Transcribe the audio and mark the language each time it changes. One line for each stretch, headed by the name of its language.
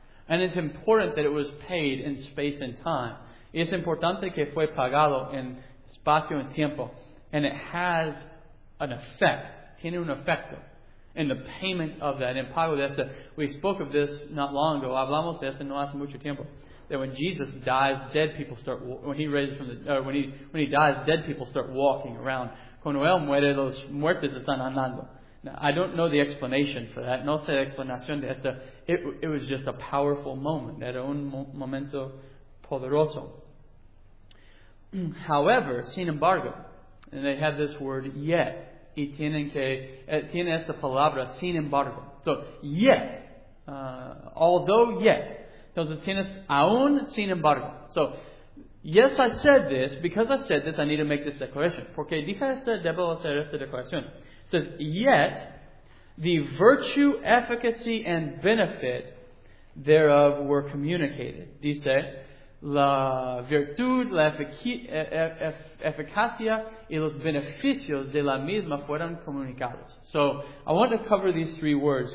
English: And it's important that it was paid in space and time.
Spanish: Es importante que fue pagado en espacio y tiempo.
English: And it has an effect.
Spanish: Tiene un efecto.
English: In the payment of that.
Spanish: En pago de eso.
English: We spoke of this not long ago.
Spanish: Hablamos de eso no hace mucho tiempo.
English: That when Jesus dies, dead people start walking around.
Spanish: Cuando él muere, los muertos están andando.
English: Now, I don't know the explanation for that.
Spanish: No sé la explicación de esto.
English: It was just a powerful moment.
Spanish: Era un momento poderoso.
English: However,
Spanish: sin embargo,
English: and they have this word yet.
Spanish: Y tienen que tiene esta palabra sin embargo.
English: So yet, although yet.
Spanish: Entonces, tienes aún sin embargo.
English: So, yes, I said this. Because I said this, I need to make this declaration.
Spanish: Porque dije esto, debo hacer esta declaración.
English: It says, yet, the virtue, efficacy, and benefit thereof were communicated.
Spanish: Dice, la virtud, la eficacia, y los beneficios de la misma fueron comunicados.
English: So, I want to cover these three words.